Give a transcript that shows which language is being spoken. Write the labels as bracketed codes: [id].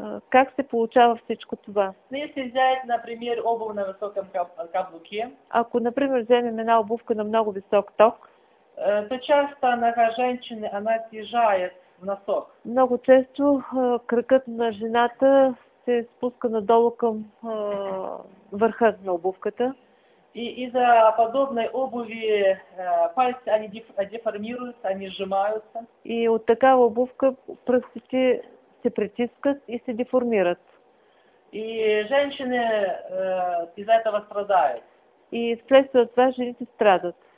[bg] Как се получава всичко това? [ru] Но если взять, например, обувь на высоком каблуке, [bg] ако, например, вземем една обувка на много висок ток, [ru] то часто нога женщины, она съезжает в носок. [bg] Много често кракът на жената се спуска надолу към върха на обувката. [ru] И из-за подобной обуви пальцы они деформируются, они сжимаются. [bg] И от такава обувка пръстите се притискат и се деформират. [ru] И женщины из-за этого страдают. [bg] И вследствие от това жените страдат.